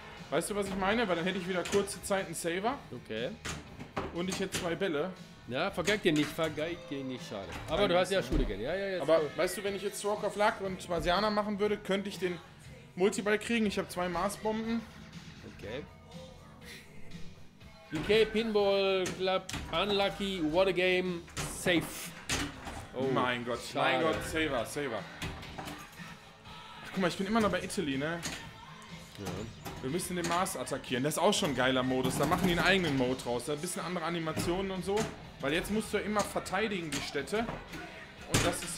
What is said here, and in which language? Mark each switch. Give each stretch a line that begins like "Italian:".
German: Weißt du, was ich meine? Weil dann hätte ich wieder kurze Zeit einen Saver. Okay. Und ich hätte 2 Bälle. Ja, vergeig dir nicht, schade. Aber du hast ja Schule gehen. Ja. Aber weißt du, wenn ich jetzt Walk of Luck und Marsianer machen würde, könnte ich den Multiball kriegen. Ich habe 2 Marsbomben. Okay.
English: UK Pinball Club, unlucky, what a game, safe.
German: Oh mein Gott, schade. Mein Gott, Saver. Ach, guck mal, ich bin immer noch bei Italy, ne? Ja. Wir müssen den Mars attackieren. Das ist auch schon ein geiler Modus. Da machen die einen eigenen Mode raus. Da ein bisschen andere Animationen und so. Weil jetzt musst du ja immer verteidigen, die Städte. Und das ist...